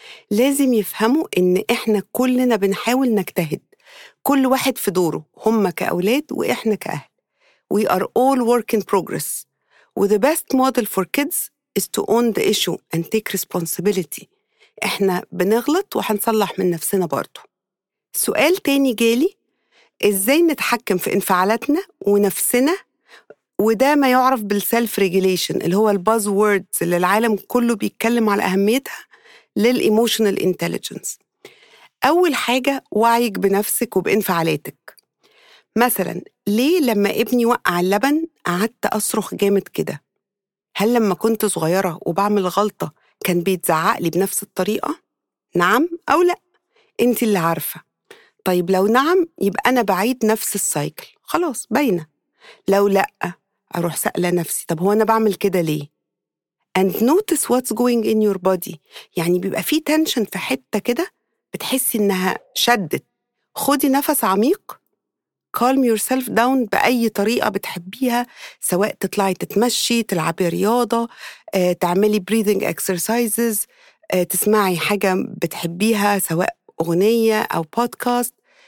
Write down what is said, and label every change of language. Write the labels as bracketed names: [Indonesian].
[Arabic] لازم يفهموا ان احنا كلنا بنحاول نجتهد، كل واحد في دوره، هم كاولاد واحنا كاهل. [English] We are all work in progress. And the best model for kids is to own the issue and take responsibility. [Arabic] إحنا بنغلط وحنصلح من نفسنا برضو. سؤال تاني جالي، إزاي نتحكم في انفعالاتنا ونفسنا؟ وده ما يعرف بالسلف ريجيليشن، اللي هو الباز ووردز اللي العالم كله بيتكلم على أهميتها للإيموشنال إنتليجنس. أول حاجة وعيك بنفسك وبإنفعالاتك. مثلاً ليه لما ابني وقع اللبن قعدت أصرخ جامد كده؟ هل لما كنت صغيرة وبعمل غلطة كان بيتزعقلي بنفس الطريقة؟ نعم أو لا؟ أنت اللي عارفة. طيب لو نعم يبقى أنا بعيد نفس السايكل، خلاص بينا. لو لا أروح سأل نفسي طب هو أنا بعمل كده ليه؟ [English] and notice what's going in your body. [Arabic] يعني بيبقى في tension في حتة كده بتحسي إنها شدت. خدي نفس عميق. [English] Calm yourself down [Arabic] بأي طريقة بتحبيها، سواء تطلعي تتمشي، تلعبي رياضة، تعملي [English] breathing exercises، [Arabic] تسمعي حاجة بتحبيها سواء أغنية أو podcast.